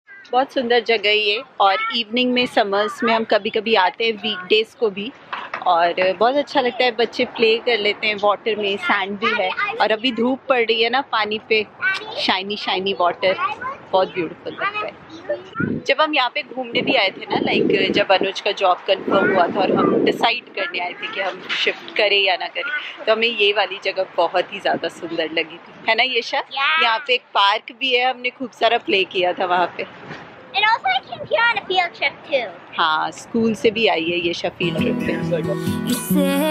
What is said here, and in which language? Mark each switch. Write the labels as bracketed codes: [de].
[hi] बहुत सुंदर जगह है ये, और इवनिंग में समर्स में हम कभी कभी आते हैं वीकडेज को भी, और बहुत अच्छा लगता है, बच्चे प्ले कर लेते हैं वाटर में, सैंड भी है, और अभी धूप पड़ रही है ना पानी पे, शाइनी शाइनी वाटर, बहुत ब्यूटीफुल लगता है। जब हम यहाँ पे घूमने भी आए थे ना, लाइक जब अनुज का जॉब कन्फर्म हुआ था और हम डिसाइड करने आए थे कि हम शिफ्ट करें या ना करें, तो हमें ये वाली जगह बहुत ही ज़्यादा सुंदर लगी थी, है ना यशा? यहाँ पे एक पार्क भी है, हमने खूब सारा प्ले किया था वहाँ पे। [en] And also I came here on a field trip too. [hi] हाँ, स्कूल से भी आई है यशा फील्ड ट्रिप पे।